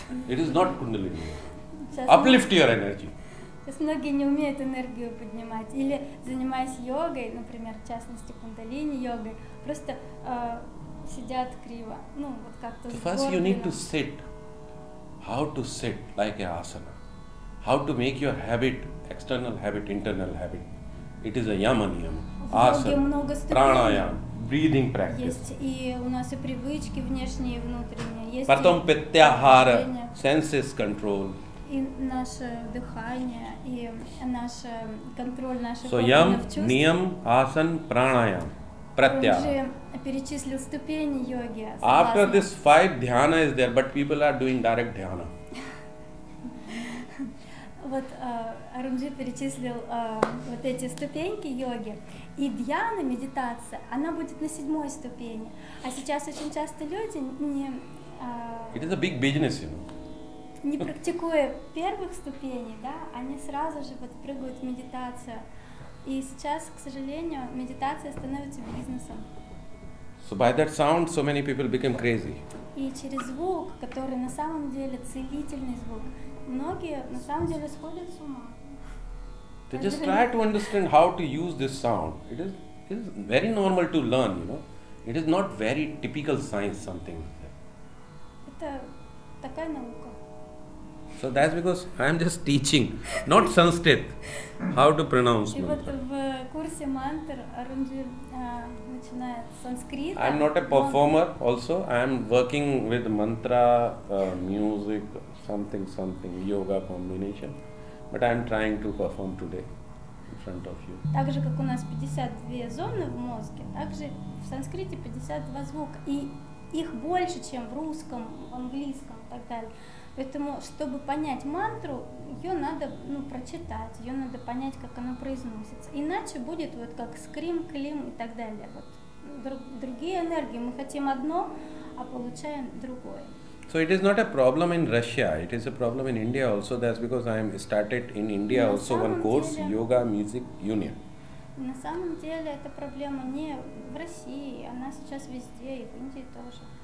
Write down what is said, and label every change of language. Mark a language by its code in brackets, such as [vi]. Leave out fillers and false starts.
[en] It is not Kundalini Yoga. Uplift your energy. [ru] Сейчас многие не умеют энергию поднимать. Или занимаясь йогой, например, в частности Кундалини Йогой, просто сидят криво. Ну, вот как-то [en] so first you need to sit. How to sit like a asana. How to make your habit, external habit, internal habit. It is a yama niyama. Asana, pranayama, breathing practice. [ru] Есть и у нас и привычки внешние и внутренние. Есть потом питтяхара, [en] senses control. [ru] И наше дыхание, и наше контроль наших органов чувств. [en] So yama, niyam, asana, pranayama. Pratyaha. [ru] Он же перечислил ступени йоги. Согласно. [en] After this five dhyana is there, but people are doing direct dhyana. [ru] Вот Арунджи перечислил вот эти ступеньки йоги. И дьяна, медитация, она будет на седьмой ступени. А сейчас очень часто люди не... [en] It is a big business, you know. [ru] Не практикуя первых ступеней, да, они сразу же вот прыгают в медитацию. И сейчас, к сожалению, медитация становится бизнесом. [en] So by that sound, so many people become crazy. [ru] И через звук, который на самом деле целительный звук, многие на самом деле сходят с ума. [en] They just try to understand how to use this sound. It is very normal to learn, you know. It is not very typical science something. [ru] Это такая наука. [en] So that's because I'm just teaching, not Sanskrit, how to pronounce mantra. [ru] И вот в курсе мантр Арунджи начинает с санскрита. [en] I'm not a performer also. I'm working with mantra, music, something, yoga combination. But I'm trying to perform today in front of you. [ru] Так же, как у нас 52 зоны в мозге, так же в санскрите 52 звука. И их больше, чем в русском, в английском и так далее. Поэтому, чтобы понять мантру, ее надо прочитать, ее надо понять, как она произносится. Иначе будет вот как скрим, клим и так далее. Вот другие энергии. Мы хотим одно, а получаем другое. [en] So it is not a problem in Russia. It is a problem in India also. That's because I am started in India also one course, Yoga Music Union. [ru] На самом деле эта проблема не в России. Она сейчас везде, и в Индии тоже.